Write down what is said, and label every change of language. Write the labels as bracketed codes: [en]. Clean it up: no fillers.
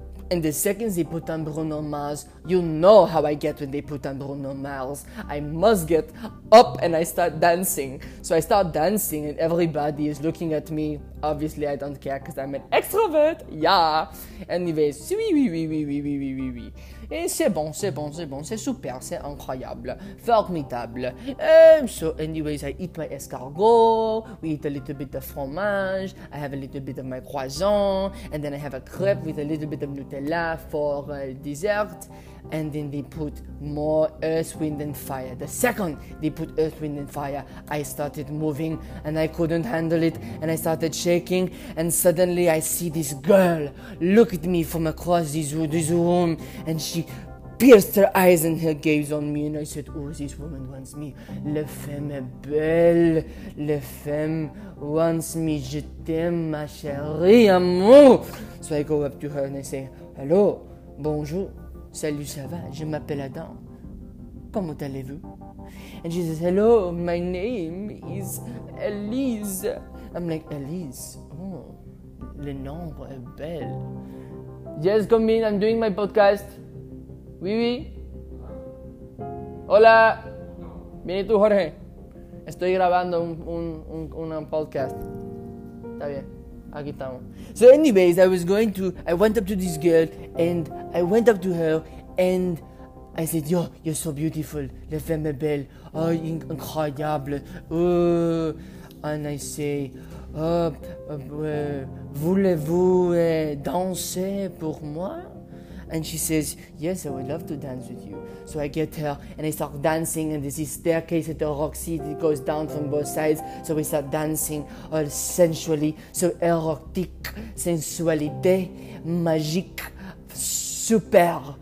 [en] And the second they put on Bruno Mars, you know how I get when they put on Bruno Mars. I must get up and I start dancing. So I start dancing and everybody is looking at me. Obviously, I don't care because I'm an extrovert. Yeah. Anyways, oui. [fr] Et c'est bon, c'est bon, c'est bon, c'est super, c'est incroyable, formidable. [en] So, anyways, I eat my escargot, we eat a little bit of fromage, I have a little bit of my croissant, and then I have a crepe with a little bit of Nutella for dessert. And then they put more earth, wind, and fire. The second they put earth, wind, and fire, I started moving and I couldn't handle it and I started shaking. And suddenly I see this girl look at me from across this room and she pierced her eyes and her gaze on me. And I said, oh, this woman wants me. [fr] La femme est belle. La femme [en] wants me. [fr] Je t'aime, ma chérie, amour. [en] So I go up to her and I say, hello, [fr] bonjour. Salut, ça va? Je m'appelle Adam. Comment allez-vous? [en] And she says, hello, my name is Elise. I'm like, Elise, oh, [fr] le nom est belle. [en] Yes, come in, I'm doing my podcast. [es] Oui. Hola. Viene tú, Jorge. Estoy grabando un podcast. Está bien. Aquí estamos. [en] So, anyways, I went up to this girl and I went up to her. And I said, yo, you're so beautiful, [fr] la femme est belle, oh, incroyable, [en] oh. And I say, oh, [fr] voulez-vous danser pour moi? [en] And she says, yes, I would love to dance with you. So I get her and I start dancing, and there's this staircase at the Roxy that goes down from both sides. So we start dancing all sensually, so [fr] erotique, sensualité, magique. [en] Super!